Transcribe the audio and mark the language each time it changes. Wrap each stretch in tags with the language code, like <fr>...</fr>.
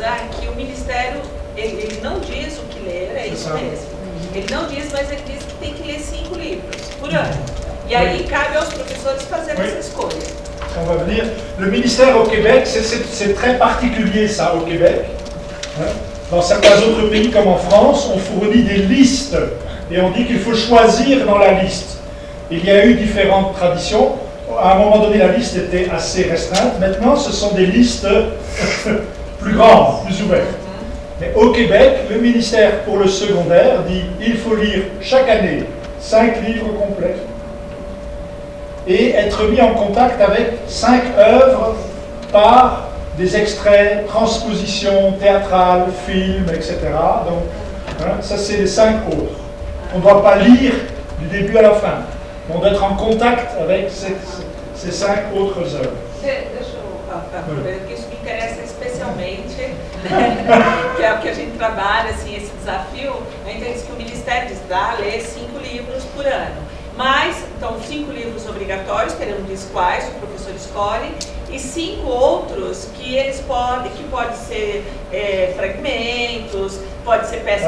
<pt>que o Ministério, ele não diz o que ler, é isso mesmo. Ele não diz, mas ele diz que tem que ler 5 livros por ano. E aí cabe aos professores fazerem essa escolha.</pt> <fr>On va venir. Le ministère au Québec, c'est très particulier ça au Québec. Dans certains autres pays comme en France, on fournit des listes et on dit qu'il faut choisir dans la liste. Il y a eu différentes traditions. À un moment donné, la liste était assez restreinte. Maintenant, ce sont des listes plus grandes, plus ouvertes. Mais au Québec, le ministère pour le secondaire dit qu'il faut lire chaque année 5 livres complets et être mis en contact avec 5 œuvres par des extraits, transpositions, théâtrales, films, etc. Donc, ça c'est les 5 autres. On ne doit pas lire du début à la fin. On doit être en contact avec ces 5 autres œuvres.</fr> <pt>Que isso me interessa especialmente, que é o que a gente trabalha, assim, esse desafio, é interesse que o Ministério diz, dá a ler 5 livros por ano. Mas, então, 5 livros obrigatórios, que ele não diz quais, o professor escolhe, e 5 outros que eles podem, que pode ser fragmentos, pode ser peças</pt>